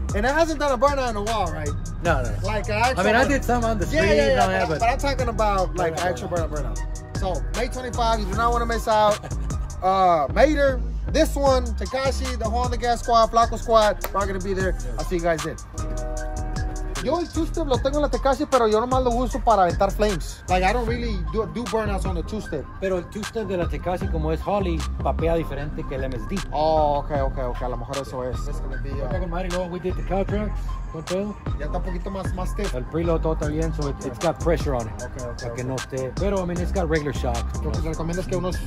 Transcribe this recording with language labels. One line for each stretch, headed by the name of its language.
English: And it hasn't done a burnout in a while, right? No. Like, I did some on the street. Yeah, but I'm talking about, like, actual burnout. So, May 25, you do not want to miss out. Mater, this one, Takashi, the whole on the gas squad, Flaco squad, we're all gonna be there. Yes. I'll see you guys then. Pretty...
Spanish: Yo el two-step lo tengo en la Tecashi, pero yo nomás lo uso para aventar flames.
English: Like, I don't really do burnouts on the two-step.
Spanish: Pero el two-step de la Tecashi, como es Holly, papea diferente que el MSD. Oh, okay. A lo mejor eso es. Es que me pilla. Okay, ya está un poquito más stiff. El preload todo está bien,
English: so it's got pressure on it. Okay.
Spanish: Que no esté. Pero,
English: I mean, it's got regular shock.
Spanish: Lo que recomiendo es que unos...